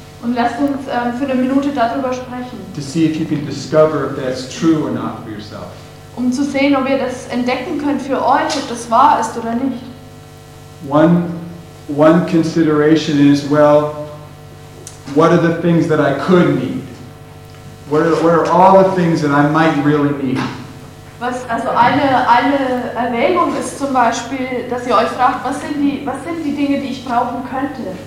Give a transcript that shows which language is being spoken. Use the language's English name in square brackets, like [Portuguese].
[German] Und lasst uns für eine Minute darüber sprechen. [English] To see if you can discover if that's true or not for yourself. [German] Um zu sehen, ob ihr das entdecken könnt für euch, ob das wahr ist oder nicht. [English] One consideration is, well, what are the things that I could need? What are all the things that I might really need? [German] Also eine Erwägung ist zum Beispiel, dass ihr euch fragt, was sind die Dinge, die ich brauchen könnte?